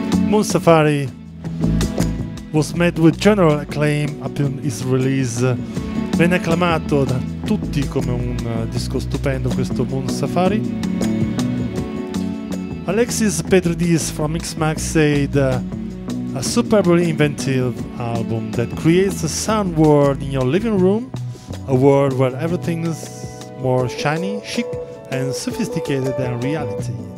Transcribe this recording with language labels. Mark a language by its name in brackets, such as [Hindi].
[English] Moon Safari was met with general acclaim upon its release. [Italian] Venne acclamato da tutti come un disco stupendo questo Moon Safari. [English] Alexis Petridis from Mixmag said, a superbly inventive album that creates a sound world in your living room, a world where everything is more shiny, chic and sophisticated than reality.